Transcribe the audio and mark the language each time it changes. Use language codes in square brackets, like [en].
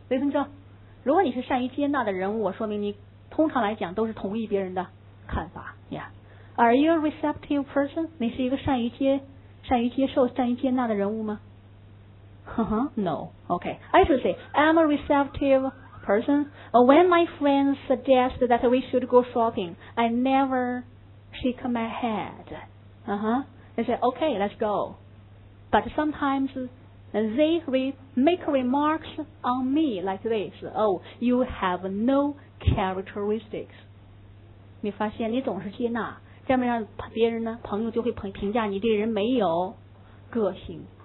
[zh] 雷同学，如果你是善于接纳的人，我说明你通常来讲都是同意别人的看法。 [en] Yeah. Are you a receptive person? [zh] 你是一个善于接受、善于接纳的人物吗？ [en] No. Okay. I should say, I'm a receptive person. When my friends suggest that we should go shopping, I never shake my head. They say, okay, let's go. But sometimes they make remarks on me like this. Oh, you have no characteristics. [zh] 你发现你总是接纳，这样让别人呢，朋友就会评价你这个人没有个性。